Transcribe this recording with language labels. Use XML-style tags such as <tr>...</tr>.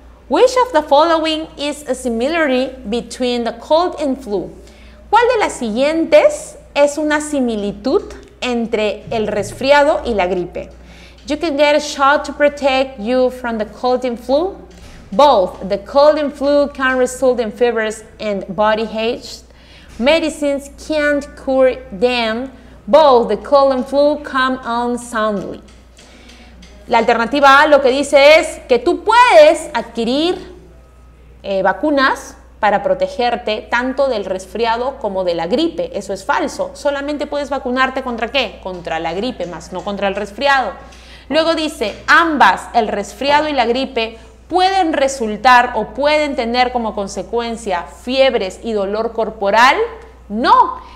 <en>Which of the following is a similarity between the cold and flu?</en> <es>¿Cuál de las siguientes es una similitud entre el resfriado y la gripe?</es> <en>You can get a shot to protect you from the cold and flu. Both the cold and flu can result in fevers and body aches. Medicines can't cure them. Both the cold and flu come on soundly.</en> <es>La alternativa A lo que dice es que tú puedes adquirir vacunas para protegerte tanto del resfriado como de la gripe. Eso es falso. Solamente puedes vacunarte ¿contra qué? Contra la gripe, más no contra el resfriado. Luego dice, ambas, el resfriado y la gripe, pueden resultar o pueden tener como consecuencia fiebres y dolor corporal. No.</es>